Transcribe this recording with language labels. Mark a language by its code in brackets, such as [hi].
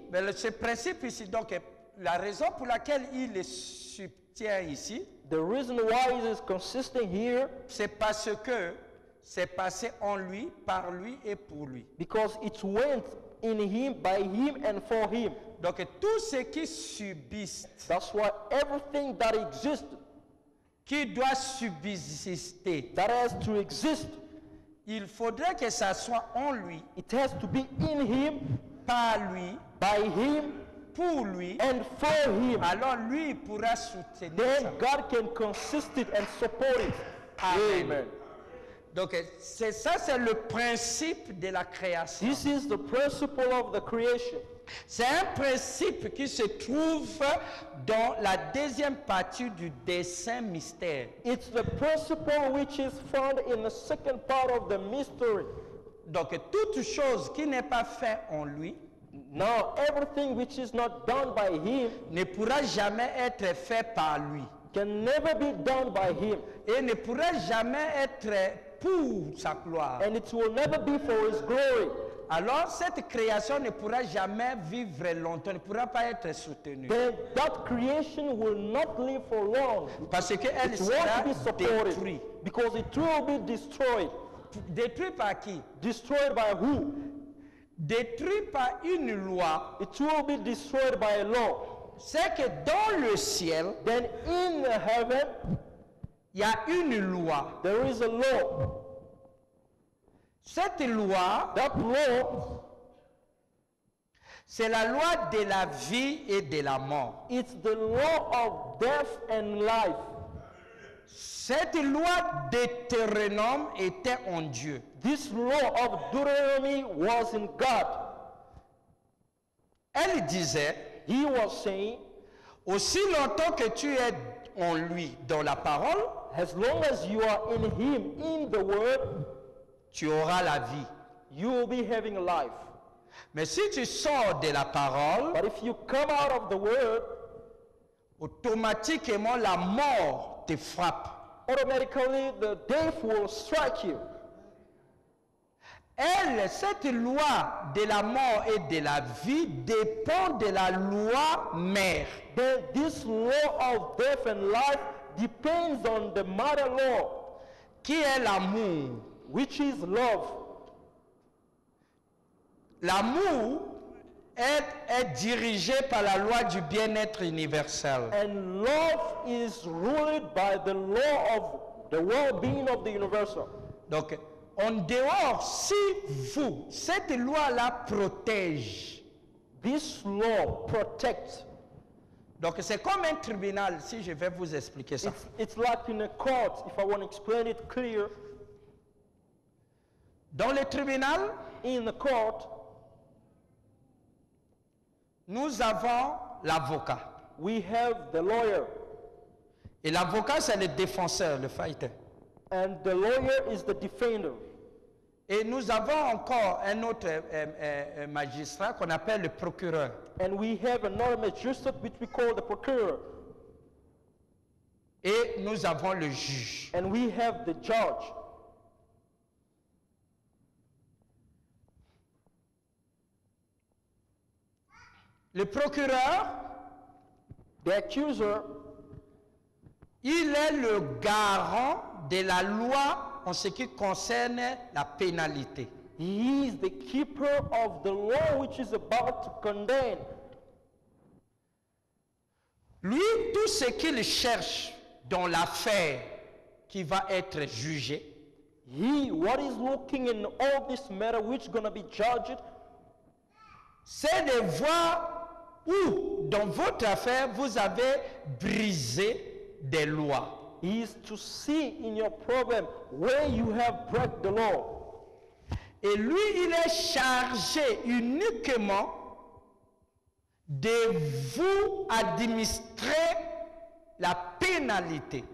[fr] Mais ce principe ici, donc, la raison pour laquelle il est soutient ici, [en] the reason why it is consisting here, [fr] c'est parce que c'est passé en lui, par lui et pour lui. [en] Because it went in him, by him, and for him. [fr] Donc tout ce qui subsiste. [en] That's why everything that exists, [fr] qui doit subsister, [en] that has to exist, [fr] il faudrait que ça soit en lui. [en] It has to be in him, [fr] par lui, [en] by him, [fr] pour lui, [en] and for him. [fr] Alors lui pourra soutenir. [en] Then [fr] ça. [en] God can consist it and support it. Amen. Amen. [fr] Donc c'est ça, c'est le principe de la création. [en] This is the principle of the creation. [fr] C'est un principe qui se trouve dans la deuxième partie du dessein mystère. [en] It's the principle which is found in the second part of the mystery. [fr] Donc toute chose qui n'est pas faite en lui, [en] no, everything which is not done by him, [fr] ne pourra jamais être fait par lui. [en] Can never be done by him. [fr] Et ne pourra jamais être pour sa gloire. [en] And it will never be for his glory. [fr] Alors cette création ne pourra jamais vivre longtemps, ne pourra pas être soutenue. [en] Then that creation will not live for long. [fr] Parce que elle sera détruite. [en] Because it will be destroyed. [fr] Détruite par qui? [en] Destroyed by who? [fr] Détruite par une loi. [en] It will be destroyed by a law. [fr] C'est que dans le ciel, [en] then in the heaven, [fr] il y a une loi. [en] There is a law. [fr] Cette loi, [en] that law, [fr] c'est la loi de la vie et de la mort. [en] It's the law of death and life. [fr] Cette loi Deutéronome était en Dieu. [en] This law of Deuteronomy was in God. [fr] Elle disait, [en] he was saying, [fr] aussi longtemps que tu es en lui, dans la parole, [en] as long as you are in him, in the word, [fr] tu auras la vie. [en] You will be having life. [fr] Mais si tu sors de la parole, [en] but if you come out of the word, [fr] automatiquement la mort te frappe. [en] Automatically the death will strike you. [fr] Elle, cette loi de la mort et de la vie dépend de la loi mère. [en] But this law of death and life depends on the mother law. [fr] Qui est l'amour? [en] Which is love. [fr] L'amour est dirigé par la loi du bien-être universel. [en] And love is ruled by the law of the well-being of the universal. [fr] Donc, en dehors, si vous, cette loi-là protège. [en] This law protects. [fr] Donc, c'est comme un tribunal, si je vais vous expliquer ça. [en] It's like in a court, if I want to explain it clear. [fr] Dans le tribunal, [en] in the court, [fr] nous avons l'avocat. [en] We have the lawyer. [fr] Et l'avocat, c'est le défenseur, le fighter. [en] And the lawyer is the defender. [fr] Et nous avons encore un autre magistrat qu'on appelle le procureur. [en] And we have another magistrate which we call the procureur. [fr] Et nous avons le juge. [en] And we have the judge. [fr] Le procureur, [en] the accuser, [fr] il est le garant de la loi en ce qui concerne la pénalité. [en] He is the keeper of the law which is about to condemn. [fr] Lui, tout ce qu'il cherche dans l'affaire qui va être jugée, [en] he, what is looking in all this matter which is going to be judged, [fr] c'est de voir où, dans votre affaire, vous avez brisé des lois. [en] Is to see in your problem where you have broken the law. [fr] Et lui, il est chargé uniquement de vous administrer la pénalité.